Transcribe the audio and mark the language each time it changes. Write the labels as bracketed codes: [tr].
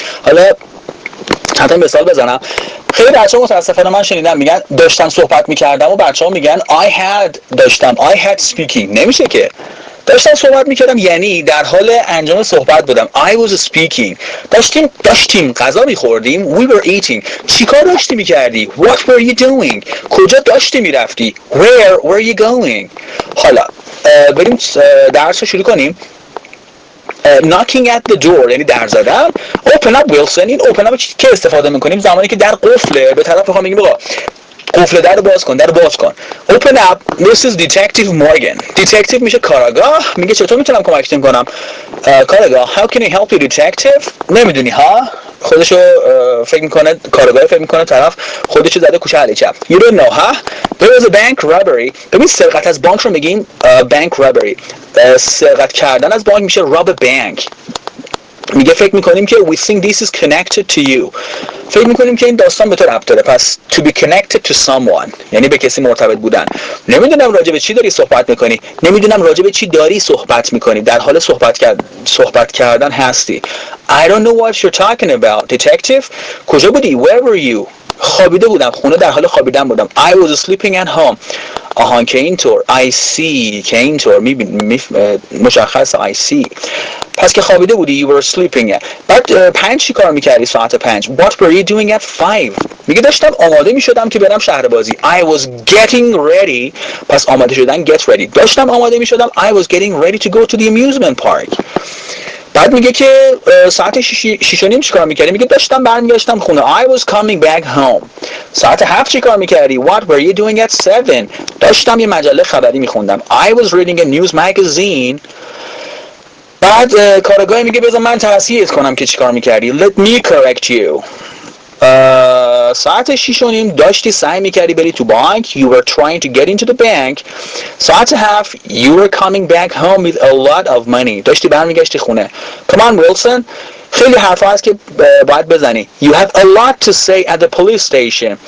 [fa] حالا حتی مثال بزنم. خیلی بچه ها متاسفانه من شنیدم میگن داشتم صحبت میکردم و بچه ها میگن [en] I had [fa] داشتم. [en] I had speaking. [fa] نمیشه که. داشتم صحبت میکردم یعنی در حال انجام صحبت بودم. [en] I was speaking. [fa] داشتیم. غذا میخوردیم. [en] We were eating. [fa] چی کار داشتی میکردی؟ [en] What were you doing? [fa] کجا داشتی میرفتی؟ [en] Where were you going? [fa] حالا بریم درس رو شروع کنیم. [en] Knocking at the door [fa] یعنی در زدن. [en] Open up Wilson. [fa] این open up چیزی که استفاده میکنیم زمانی که در قفله به طرف بخواه میگیم بقا قفله در رو باز کن، در رو باز کن. [en] Open up. This is Detective Morgan. [fa] Detective میشه کاراگاه. میگه چطور میتونم کمکتون کنم کاراگاه؟ [en] How can I help you detective؟ [fa] نمیدونی ها؟ خودشو فکر میکنه کارگاه، فکر میکنه طرف خودشو زده کوچه علی چپ. [en] You don't know, huh? There was a bank robbery. [fa] ببین سرقت از بانک رو میگیم bank robbery. سرقت کردن از بانک میشه [en] rob a bank. [fa] میگه فکر میکنیم که [en] we think this is connected to you. [fa] فکر میکنیم که این داستان به تو ربط داره. پس [en] to be connected to someone [fa] یعنی به کسی مرتبط بودن. نمیدونم راجب چی داری صحبت میکنی. نمیدونم راجب چی داری صحبت میکنی. در حال صحبت کردن هستی. [en] I don't know what you're talking about, detective. [fa] کجا بودی؟ [en] Where were you? [fa] خوابیده بودم. خونه در حال خوابیدن بودم. [en] I was sleeping at home. [fa] آهان که اینطور. [en] I see [fa] که اینطور. [en] مشخص I see. [fa] پس که خوابیده بودی. [en] You were sleeping at. [fa] بعد پنج چی کار میکردی ساعت پنج؟ [en] What were you doing at five? [fa] میگه داشتم آماده میشدم که برم شهر بازی. [en] I was getting ready. [fa] پس آماده شدن get ready. داشتم آماده میشدم. [en] I was getting ready to go to the amusement park. [fa] بعد میگه که ساعت 6:30 چیکار میکردی؟ میگه داشتم برمیگشتم خونه. [en] I was coming back home. [fa] ساعت 7 چیکار میکردی؟ [en] What were you doing at 7? [fa] داشتم یه مجله خبری میخوندم. [en] I was reading a news magazine. [fa] بعد کارگاه میگه بذار من تصحیحت کنم که چیکار میکردی. [en] Let me correct you. [fa] ساعت 6:30 داشتی سعی میکردی بری تو بانک. [en] You were trying to get into the bank. [fa] ساعت 7 [en] you were coming back home with a lot of money. [fa] داشتی برمیگشتی خونه. [en] Come on Wilson. [fa] خیلی حرف هست که باید بزنی. [en] You have a lot to say at the police station.